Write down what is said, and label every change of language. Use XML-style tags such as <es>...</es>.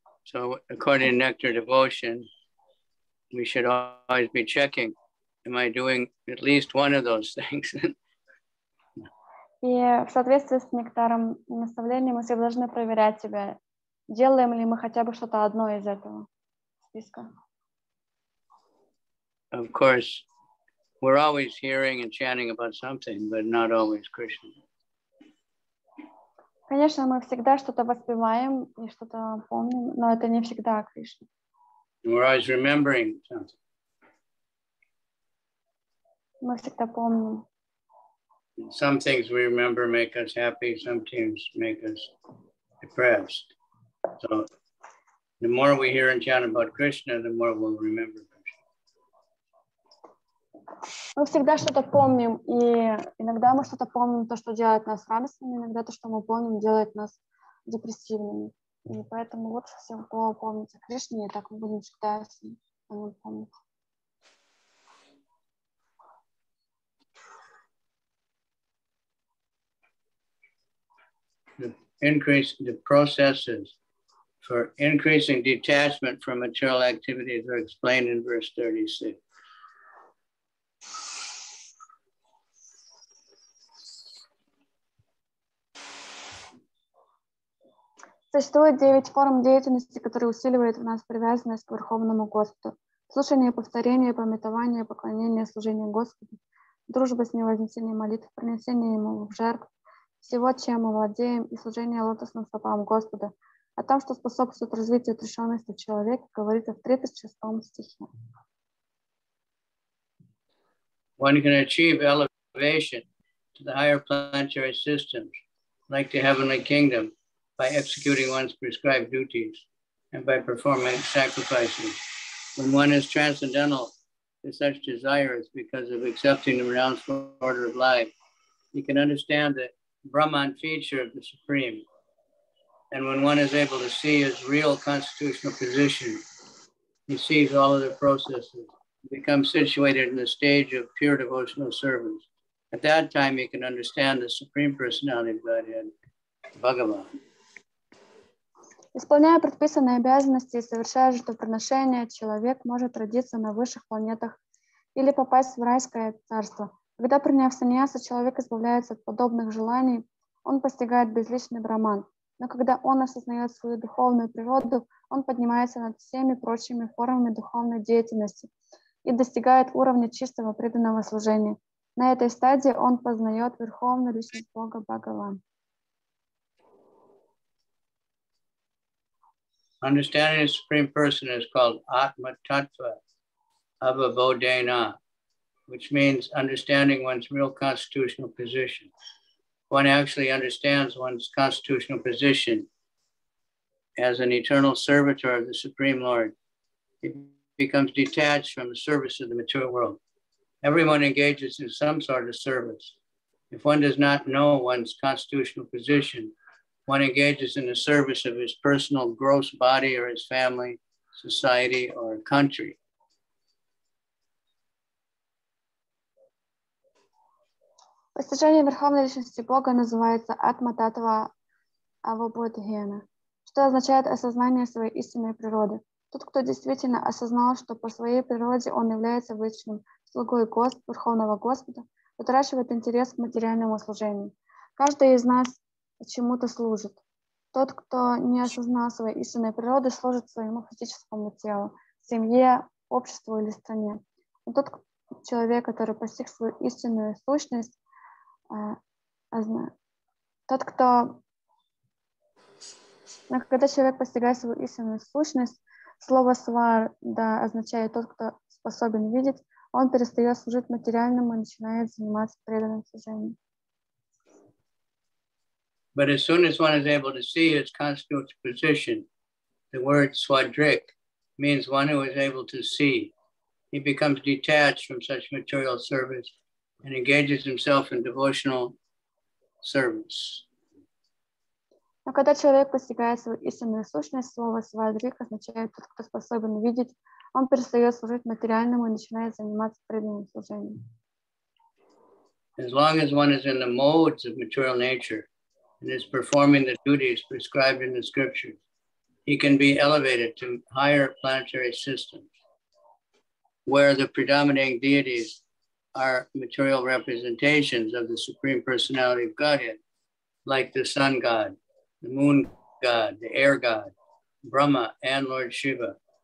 <en>So according to nectar devotion, we should always be checking, am I doing at least one of those things?</en> <ru>И в соответствии с нектаром наставления мы все должны проверять себя, делаем ли мы хотя бы что-то одно из этого списка.</ru> <en>Of course, we're always hearing and chanting about something, but not always Krishna.</en> <ru>Конечно, мы всегда что-то воспеваем и что-то помним, но это не всегда Кришна.</ru> <en>We're always remembering something.</en> <ru>Мы всегда помним.</ru> <en>Some things we remember make us happy, some things make us depressed. So the more we hear and chant about Krishna, the more we'll remember Krishna.</en> <ru>Мы всегда что-то помним, и иногда мы что-то помним, то, что делает нас радостными, иногда то, что мы помним, делает нас депрессивными. И поэтому лучше всего помнить о Кришне, и так мы будем всегда с ним помнить.</ru> <en>Increase the processes for increasing detachment from material activities are explained in verse 36.</en> <ru>Существует 9 форм деятельности, которые усиливают в нас привязанность к Верховному Господу. Слушание, повторение, памятование, поклонение, служение Господу, дружба с Ним, вознесение молитв, принесение Ему в жертву, всего, чем мы владеем, и служение лотосным стопам Господа, о том, что способствует развитию отрешенности человека, говорится в 36 стихе.</ru> <en>One can achieve elevation to the higher planetary systems, like the heavenly kingdom, by executing one's prescribed duties and by performing sacrifices. When one is transcendental to such desires because of accepting the renounced order of life, you can understand that Brahman feature of the Supreme, and when one is able to see his real constitutional position, he sees all of the processes, becomes situated in the stage of pure devotional service. At that time, he can understand the Supreme Personality of Godhead, Bhagavan.</en> <ru>Исполняя предписанные обязанности и совершая жертвоприношения, человек может родиться на высших планетах или попасть в райское царство. Когда приняв саньяса, человек избавляется от подобных желаний, он постигает безличный брахман. Но когда он осознает свою духовную природу, он поднимается над всеми прочими формами духовной деятельности и достигает уровня чистого преданного служения. На этой стадии он познает верховную личность Бога Бхагаван.</ru> <en>Understanding the Supreme Person is called Atma-Tattva Abhavodena, which means understanding one's real constitutional position. One actually understands one's constitutional position as an eternal servitor of the Supreme Lord. It becomes detached from the service of the material world. Everyone engages in some sort of service. If one does not know one's constitutional position, one engages in the service of his personal gross body or his family, society, or country.</en> <ru>Постижение Верховной Личности Бога называется Атма-Таттва Авабодхиена, что означает осознание своей истинной природы. Тот, кто действительно осознал, что по своей природе он является высшим слугой Верховного Господа, утрачивает интерес к материальному служению. Каждый из нас чему-то служит. Тот, кто не осознал своей истинной природы, служит своему физическому телу, семье, обществу или стране. Но тот человек, который постиг свою истинную сущность, тот, кто... Но когда человек постигает свою истинную сущность, слово «свар», да, означает «тот, кто способен видеть», он перестает служить материальному и начинает заниматься преданным служением.</ru> <en>But as soon as one is able to see his constitutional position, the word «свадрик» means one who is able to see. He becomes detached from such material service and engages himself in devotional service.</en> <ru>Но когда человек постигает свою истинную сущность, слово «свадрик» означает «тот, кто способен видеть», он перестает служить материальному и начинает заниматься преданным служением.</ru> <en>As long as one is in the modes of material nature and is performing the duties prescribed in the scriptures, he can be elevated to higher planetary systems where the predominating deities are material representations of the Supreme Personality of Godhead, like the sun god, the moon god, the air god, Brahma, and Lord Shiva.</en>